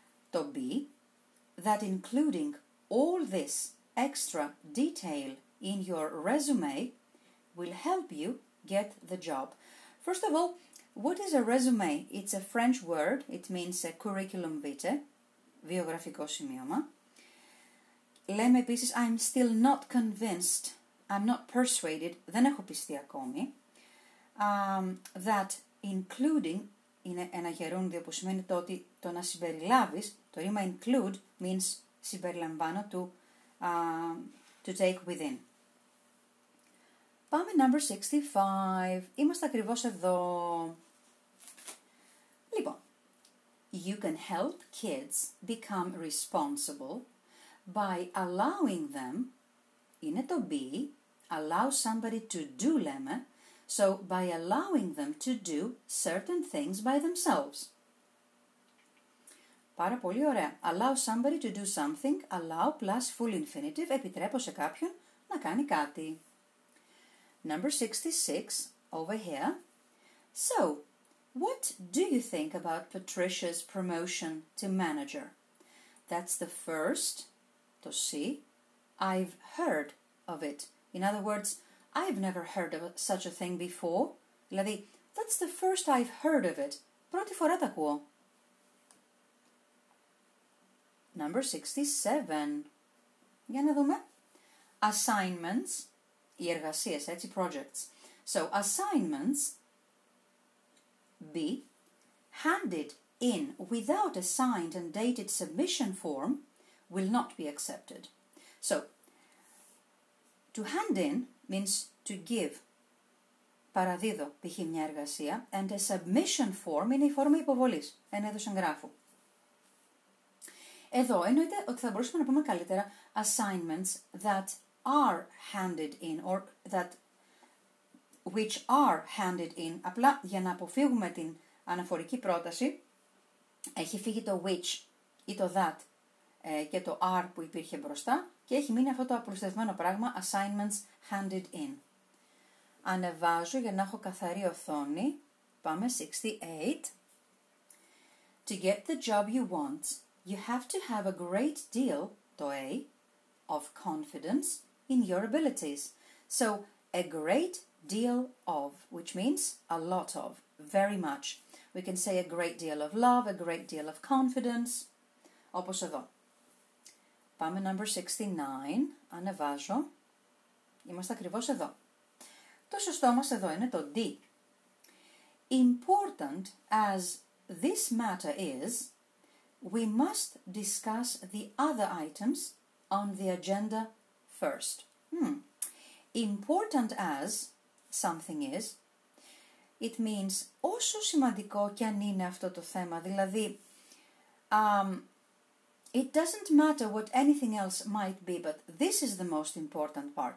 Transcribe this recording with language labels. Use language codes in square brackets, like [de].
[en] Το B, that including all this extra detail in your resume will help you get the job. First of all, what is a resume? It's a French word. It means a curriculum vitae, [el] βιογραφικό σημείωμα. Λέμε επίσης, [en] I'm still not convinced, I'm not persuaded, [el] δεν έχω πιστεί ακόμη, [en] that including, [el] είναι ένα γερούνδιο που σημαίνει το ότι το να συμπεριλάβεις, το ρήμα [en] include means [el] συμπεριλαμβάνω, [en] to take within. [el] Πάμε number 65. Είμαστε ακριβώς εδώ. [en] Λοιπόν, you can help kids become responsible by allowing them, [el] είναι το B, [en] allow somebody to do lemma, so by allowing them to do certain things by themselves. [el] Πάρα πολύ ωραία. [en] Allow somebody to do something, allow plus full infinitive, [el] επιτρέπω σε κάποιον να κάνει κάτι. [en] Number 66, over here. So, what do you think about Patricia's promotion to manager? That's the first, [el] το C, [en] I've heard of it. In other words, I've never heard of such a thing before. Δηλαδή, that's the first I've heard of it. [el] Πρώτη φορά τα ακούω. Number 67. Για να δούμε. Assignments. Οι εργασίες, έτσι, projects. [en] So, assignments. B. Handed in without a signed and dated submission form will not be accepted. So, to hand in means to give. [el] Παραδίδω, π.χ. μια εργασία. [en] And a submission form [el] είναι η φόρμα υποβολής. Εν έδωσε γράφου. Εδώ εννοείται ότι θα μπορούσαμε να πούμε καλύτερα [en] assignments that are handed in or that which are handed in. [el] Απλά για να αποφύγουμε την αναφορική πρόταση έχει φύγει το which ή το that και το are που υπήρχε μπροστά και έχει μείνει αυτό το απροστευμένο πράγμα assignments handed in. Ανεβάζω για να έχω καθαρή οθόνη. Πάμε 68. [en] To get the job you want, you have to have a great deal, [el] το A, [en] of confidence in your abilities. So, a great deal of, which means a lot of, very much. We can say a great deal of love, a great deal of confidence. [el] Όπως εδώ. Πάμε number 69. Ανεβάζω. Είμαστε ακριβώς εδώ. Το σωστό μας εδώ είναι το D. [en] Important as this matter is, we must discuss the other items on the agenda first. Important as something is, it means [el] όσο σημαντικό κι αν είναι αυτό το θέμα, δηλαδή, [en] it doesn't matter what anything else might be, but this is the most important part.